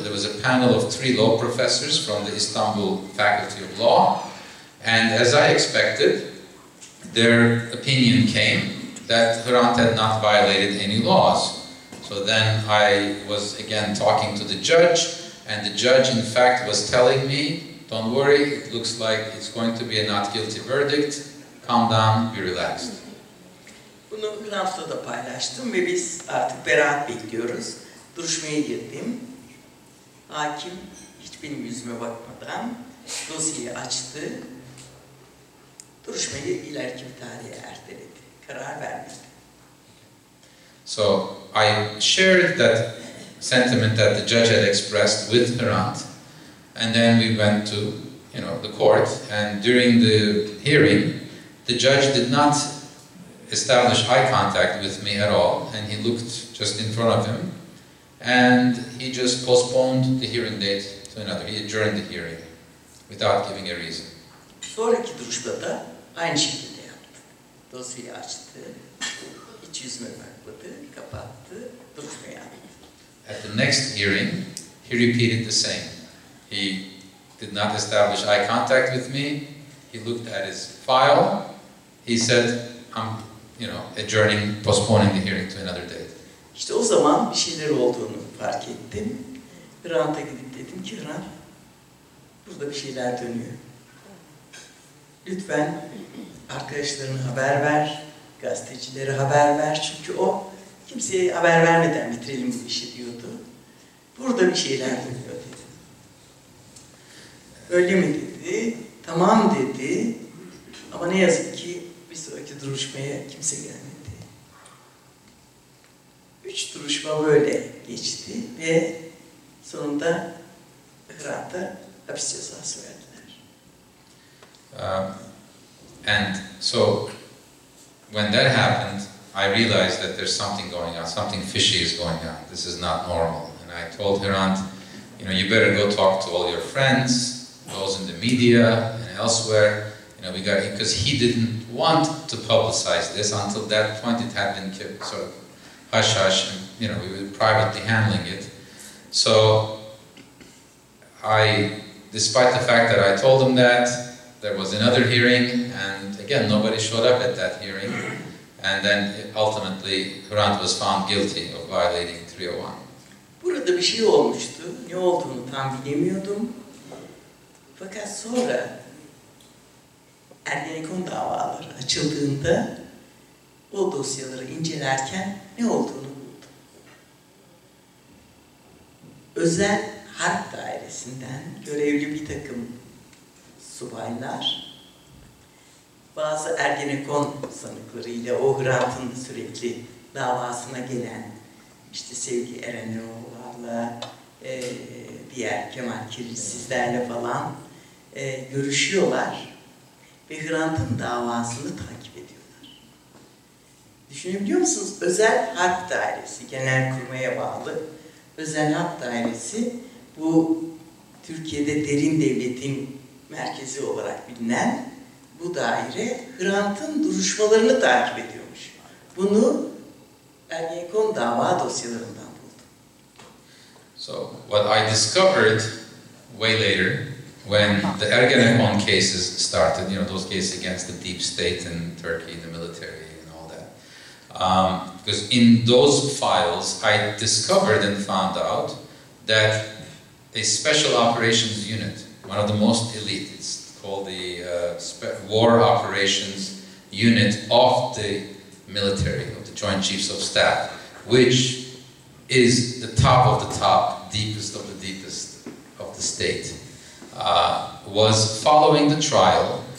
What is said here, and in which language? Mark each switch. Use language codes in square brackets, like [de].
[en] There was a panel of 3 law professors from the Istanbul Faculty of Law, and as I expected, their opinion came that Hrant had not violated any laws. So then I was again talking to the judge, And the judge, in fact, was telling me, don't worry, it looks like it's going to be a not guilty verdict. Calm down, be relaxed. [tr] Bunu bir hafta da paylaştım ve biz artık beraat bekliyoruz. Duruşmaya girdim. Hakim hiç benim yüzüme bakmadan dosyayı açtı. Duruşmayı ileriki bir tarihe erteledi. Karar vermedi. [en] So, I shared that sentiment that the judge had expressed with her aunt. And then we went to, you know, the court, and during the hearing, the judge did not establish eye contact with me at all, and he looked just in front of him, and he just postponed the hearing date to another. He adjourned the hearing without giving a reason. [tr] Sonraki duruşmada aynı şekilde yaptı. Dosyayı açtı, hiç yüzüme bakmadı, kapattı, duruşmayı yaptı. [en] At the next hearing, he repeated the same. He did not establish eye contact with me. He looked at his file. He said, I'm, you know, adjourning, postponing the hearing to another day. [tr] İşte o zaman bir şeyler olduğunu fark ettim. Bir anta gidip dedim ki, Hıran, burada bir şeyler dönüyor. Lütfen arkadaşlarına haber ver, gazetecilere haber ver. Çünkü o kimseye haber vermeden bitirelim bu işi diyordu. Burada bir şeyler dönüyor dedi. Öyle mi dedi, tamam dedi, ama ne yazık ki bir sonraki duruşmaya kimse gelmedi. Üç duruşma böyle geçti ve sonunda Hıran'da hapis cezası verdiler. [en] And so, when that happened, I realized that there's something going on, something fishy is going on, this is not normal. And I told Hıran, you know, you better go talk to all your friends, those in the media and elsewhere, you know, we got, because he didn't want to publicize this until that point. It had been kept sort of hush hush, and you know, we were privately handling it. So, I, despite the fact that I told him that, there was another hearing, and again, nobody showed up at that hearing, and then ultimately, Hrant was found guilty of violating 301. [tr] Burada bir şey olmuştu. Ne olduğunu tam bilemiyordum. Fakat sonra Ergenekon davaları açıldığında o dosyaları incelerken ne olduğunu buldum. Özel Harp Dairesi'nden görevli bir takım subaylar bazı Ergenekon sanıklarıyla o Hrant'ın sürekli davasına gelen işte Sevgi Erenoğlu'larla diğer Kemal Kirilsizler'le falan görüşüyorlar ve Hrant'ın davasını takip ediyorlar. Düşünebiliyor musunuz? Özel Harp Dairesi, Genelkurmay'a bağlı Özel Harp Dairesi, bu Türkiye'de derin devletin merkezi olarak bilinen bu daire Hrant'ın duruşmalarını takip ediyormuş. Bunu Ergenekon dava dosyalarından buldum. [en] So, what I discovered way later, when the Ergenekon cases started, you know, those cases against the deep state and Turkey, the military and all that. Because in those files, I discovered and found out that a special operations unit, one of the most elite, it's called the War Operations Unit of the military, of the Joint Chiefs of Staff, which is the top of the top, deepest of the deepest of the state, was following the trial.